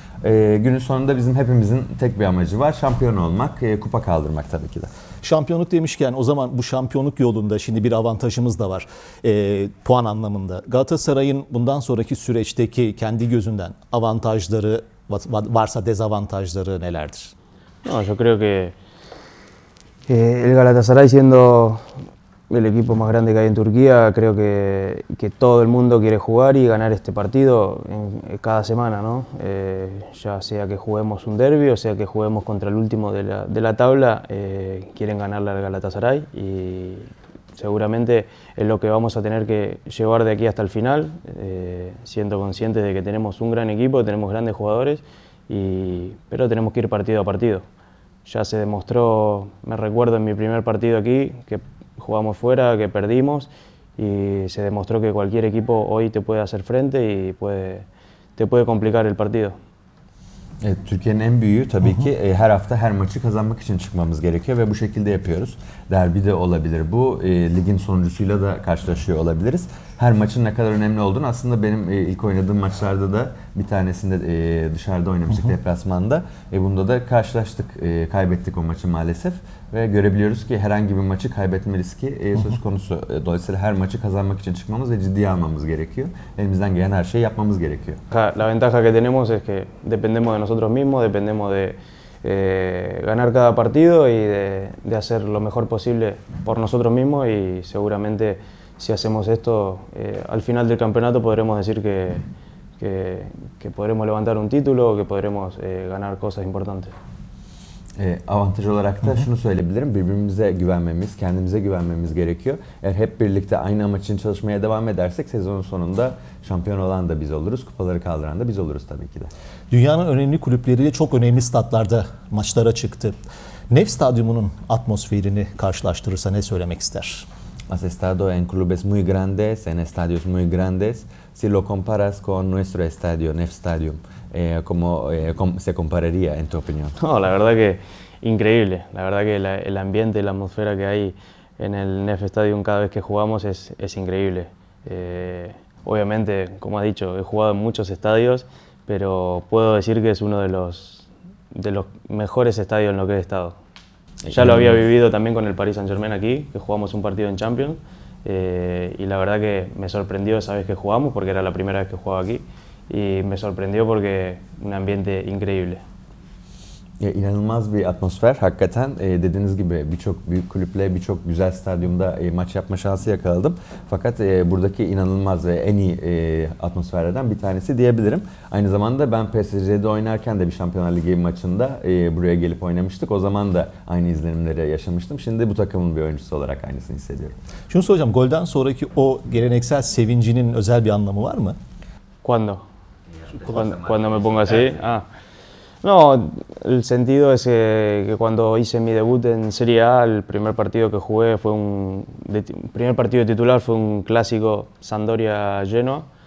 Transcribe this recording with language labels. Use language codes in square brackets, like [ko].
[tr] Günün sonunda bizim hepimizin tek bir amacı var. Şampiyon olmak, kupa kaldırmak tabii ki de. Şampiyonluk demişken o zaman bu şampiyonluk yolunda şimdi bir avantajımız da var. Puan anlamında. Galatasaray'ın bundan sonraki süreçteki kendi gözünden avantajları varsa dezavantajları nelerdir? [es] No, yo creo que el Galatasaray siendo el equipo más grande que hay en Turquía, creo que todo el mundo quiere jugar y ganar este partido cada semana, ¿no? Ya sea que juguemos un derbi o sea que juguemos contra el último de la tabla, quieren ganarle al Galatasaray y seguramente es lo que vamos a tener que llevar de aquí hasta el final, siendo conscientes de que tenemos un gran equipo, tenemos grandes jugadores, pero tenemos que ir partido a partido. Ya se demostró, me recuerdo en mi primer partido aquí, que jugamos fuera, que perdimos y se demostró que cualquier equipo hoy te puede hacer frente y te puede complicar el partido. [tr] Türkiye'nin en büyüğü tabii ki her hafta her maçı kazanmak için çıkmamız gerekiyor ve bu şekilde yapıyoruz. Derbi de olabilir bu, ligin sonuncusuyla da karşılaşıyor olabiliriz. Her maçın ne kadar önemli olduğunu aslında benim ilk oynadığım maçlarda da bir tanesinde dışarıda oynamıştık deplasmanda. Bunda da karşılaştık, kaybettik o maçı maalesef. Ve görebiliyoruz ki herhangi bir maçı kaybetme riski söz konusu. Dolayısıyla her maçı kazanmak için çıkmamız ve ciddiye almamız gerekiyor. Elimizden gelen her şeyi yapmamız gerekiyor. [es] La ventaja que tenemos es que dependemos de nosotros mismos, dependemos de ganar cada partido y de hacer lo mejor posible por nosotros mismos y seguramente si hacemos esto al final del campeonato podremos decir que podremos levantar un título o que podremos ganar cosas importantes. [tr] Avantaj olarak da şunu söyleyebilirim. Birbirimize güvenmemiz, kendimize güvenmemiz gerekiyor. Eğer hep birlikte aynı amaç için çalışmaya devam edersek sezonun sonunda şampiyon olan da biz oluruz. Kupaları kaldıran da biz oluruz tabii ki de. Dünyanın önemli kulüpleriyle çok önemli statlarda maçlara çıktı. Nef Stadyumu'nun atmosferini karşılaştırırsa ne söylemek ister? [es] Mas estado en clubes muy grandes, en estadios muy grandes. Si lo comparas con nuestro estadio, Nef Stadium, ¿cómo se compararía en tu opinión? No, la verdad que increíble. La verdad que el ambiente y la atmósfera que hay en el Nef Stadium cada vez que jugamos es increíble. Obviamente, como has dicho, he jugado en muchos estadios, pero puedo decir que es uno de los mejores estadios en los que he estado. Ya lo había vivido también con el Paris Saint-Germain aquí, que jugamos un partido en Champions. Y la verdad que me sorprendió esa vez que jugamos, porque era la primera vez que jugaba aquí. Y me sorprendió porque un ambiente increíble. [tr] İnanılmaz bir atmosfer hakikaten. Dediğiniz gibi birçok büyük kulüple birçok güzel stadyumda maç yapma şansı yakaladım. Fakat buradaki inanılmaz ve en iyi atmosferlerden bir tanesi diyebilirim. Aynı zamanda ben PSG'de oynarken de bir Şampiyonlar Ligi maçında buraya gelip oynamıştık. O zaman da aynı izlenimleri yaşamıştım. Şimdi bu takımın bir oyuncusu olarak aynısını hissediyorum. Şunu soracağım, golden sonraki o geleneksel sevincinin özel bir anlamı var mı? [es] Cuando? Cuando me pongo así? No, el sentido es que cuando hice mi debut en Serie A, el primer partido que jugué fue un clásico Sampdoria-Genoa.